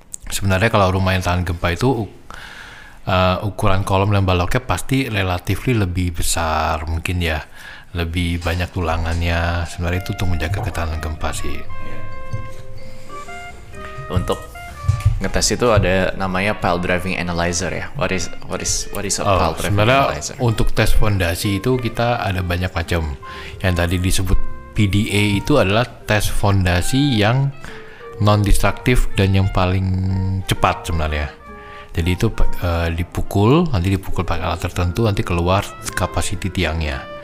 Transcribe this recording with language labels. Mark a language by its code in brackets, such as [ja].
[id] Sebenarnya kalau rumah yang tahan gempa itu ukuran kolom dan baloknya pasti relatif lebih besar mungkin ya, lebih banyak tulangannya. Sebenarnya itu untuk menjaga ketahanan gempa sih. Untuk ngetes itu ada namanya pile driving analyzer ya. [en] What is a pile driving analyzer? [id] Untuk tes fondasi itu kita ada banyak macam. Yang tadi disebut PDA itu adalah tes fondasi yang non-destructive dan yang paling cepat sebenarnya. Jadi itu dipukul, nanti dipukul pakai alat tertentu, nanti keluar kapasiti tiangnya.